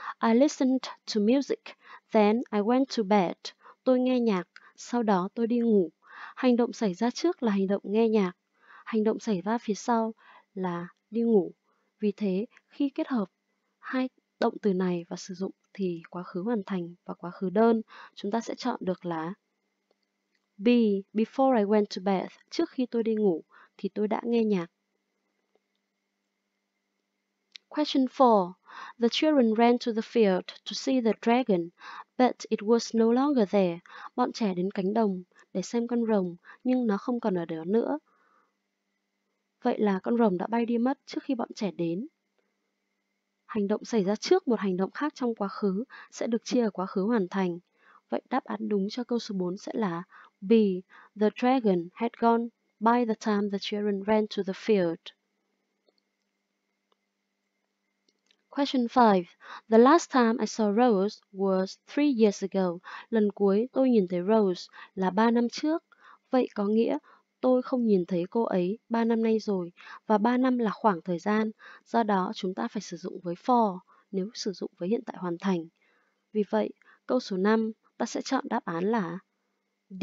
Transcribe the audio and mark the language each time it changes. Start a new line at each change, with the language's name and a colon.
English: I listened to music, then I went to bed.
Vietnamese: Tôi nghe nhạc, sau đó tôi đi ngủ. Hành động xảy ra trước là hành động nghe nhạc. Hành động xảy ra phía sau là đi ngủ. Vì thế, khi kết hợp hai động từ này và sử dụng thì quá khứ hoàn thành và quá khứ đơn, chúng ta sẽ chọn được là B.
English: Before I went to bed,
Vietnamese: trước khi tôi đi ngủ, thì tôi đã nghe nhạc.
English: Question 4. The children ran to the field to see the dragon, but it was no longer there.
Vietnamese: Bọn trẻ đến cánh đồng để xem con rồng, nhưng nó không còn ở đó nữa. Vậy là con rồng đã bay đi mất trước khi bọn trẻ đến. Hành động xảy ra trước một hành động khác trong quá khứ sẽ được chia ở quá khứ hoàn thành. Vậy đáp án đúng cho câu số 4 sẽ là B.
English: The dragon had gone by the time the children ran to the field. Question 5. The last time I saw Rose was 3 years ago.
Vietnamese: Lần cuối tôi nhìn thấy Rose là 3 năm trước. Vậy có nghĩa tôi không nhìn thấy cô ấy 3 năm nay rồi. Và 3 năm là khoảng thời gian. Do đó chúng ta phải sử dụng với for nếu sử dụng với hiện tại hoàn thành. Vì vậy, câu số 5 ta sẽ chọn đáp án là D.